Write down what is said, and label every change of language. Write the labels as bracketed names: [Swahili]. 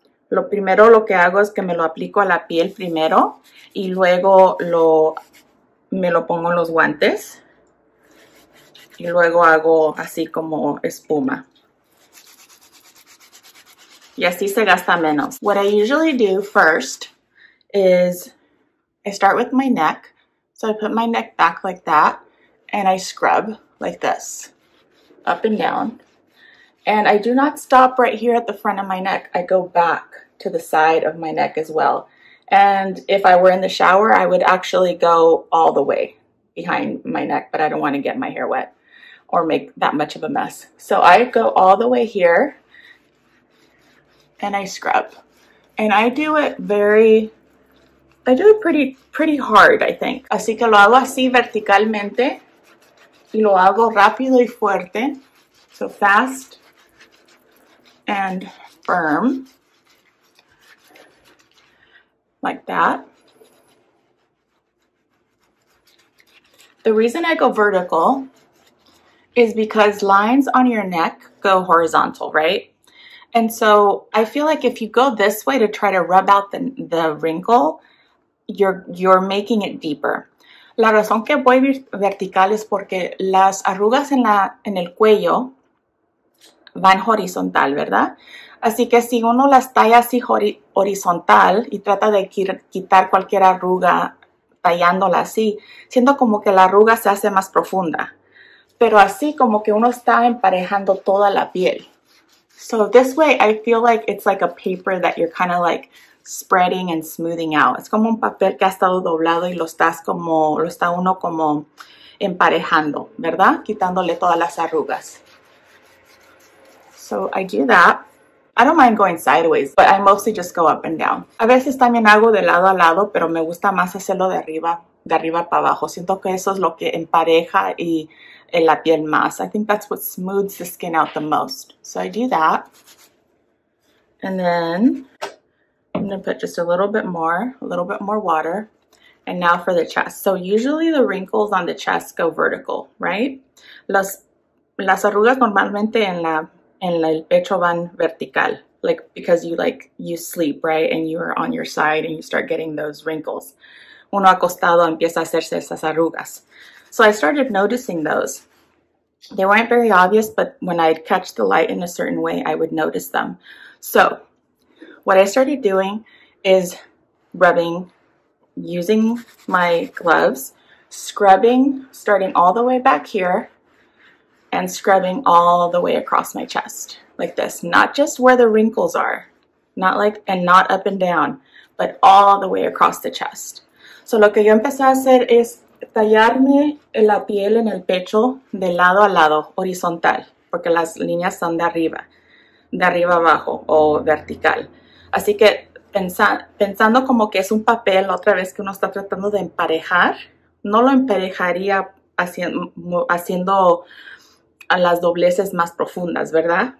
[Spanish] Lo primero lo que hago es que me lo aplico a la piel primero y luego me lo pongo en los guantes y luego hago así como espuma. Y así se gasta menos. [English] What I usually do first is I start with my neck. So I put my neck back like that and I scrub like this, up and down. And I do not stop right here at the front of my neck. I go back to the side of my neck as well. And if I were in the shower, I would actually go all the way behind my neck, but I don't want to get my hair wet or make that much of a mess. So I go all the way here and I scrub. And I do it I do it pretty hard, I think. [Spanish] Así que lo hago así verticalmente y lo hago rápido y fuerte. [English] So fast and firm. Like that. The reason I go vertical is because lines on your neck go horizontal, right? And so I feel like if you go this way to try to rub out the wrinkle, you're making it deeper. [Spanish] La razón que voy vertical es porque las arrugas en el cuello van horizontal, ¿verdad? Así que si uno las talla así horizontal y trata de quitar cualquier arruga tallándola así, siento como que la arruga se hace más profunda. Pero así como que uno está emparejando toda la piel. [English] So this way I feel like it's like a paper that you're kind of like spreading and smoothing out. [Spanish] Es como un papel que ha estado doblado y lo está uno como emparejando, ¿verdad? Quitándole todas las arrugas. [English] So I do that. I don't mind going sideways, but I mostly just go up and down. [Spanish] A veces también hago de lado a lado, pero me gusta más hacerlo de arriba para abajo. Siento que eso es lo que empareja y en la piel más. [English] I think that's what smooths the skin out the most. So I do that. And then I'm gonna put just a little bit more water. And now for the chest. So usually the wrinkles on the chest go vertical, right? [Spanish] Las arrugas normalmente el pecho van vertical, [English] like because you sleep, right? And you are on your side and you start getting those wrinkles. [Spanish] Uno acostado empieza a hacerse esas arrugas. [English] So I started noticing those. They weren't very obvious, but when I'd catch the light in a certain way, I would notice them. So what I started doing is rubbing using my gloves, scrubbing, starting all the way back here, and scrubbing all the way across my chest like this. Not just where the wrinkles are, not up and down, but all the way across the chest. [Spanish] So lo que yo empecé a hacer es tallarme la piel en el pecho de lado a lado, horizontal, porque las líneas están de arriba abajo o vertical. Así que pensando como que es un papel otra vez que uno está tratando de emparejar, no lo emparejaría haciendo a las dobleces más profundas, ¿verdad?